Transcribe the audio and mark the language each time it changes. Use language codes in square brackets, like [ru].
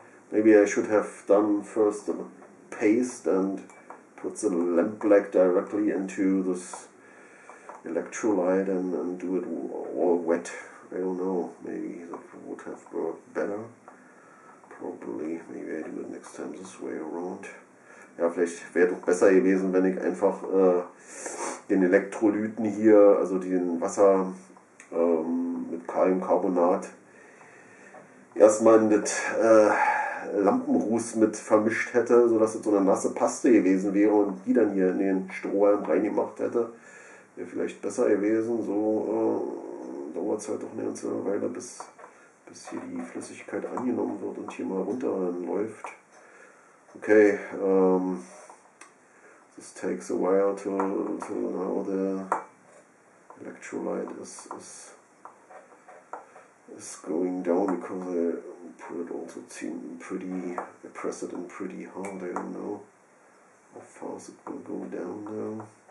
[en] Maybe I should have done first the paste and put the lamp black directly into this electrolyte and do it all wet. I don't know. Maybe that would have worked better. Probably, maybe I do it next time this way around. [de] Ja, vielleicht wäre doch besser gewesen, wenn ich einfach den Elektrolyten hier, also den Wasser mit Kaliumcarbonat, erstmal in das Lampenruß mit vermischt hätte, sodass es so eine nasse Paste gewesen wäre und die dann hier in den Strohhalm reingemacht hätte. Wäre vielleicht besser gewesen. So dauert es halt doch eine ganze Weile bis hier die Flüssigkeit angenommen wird und hier mal runter läuft. [en] Okay, this takes a while till now the electrolyte is going down because I put it also I press it in pretty hard. I don't know how fast it will go down now.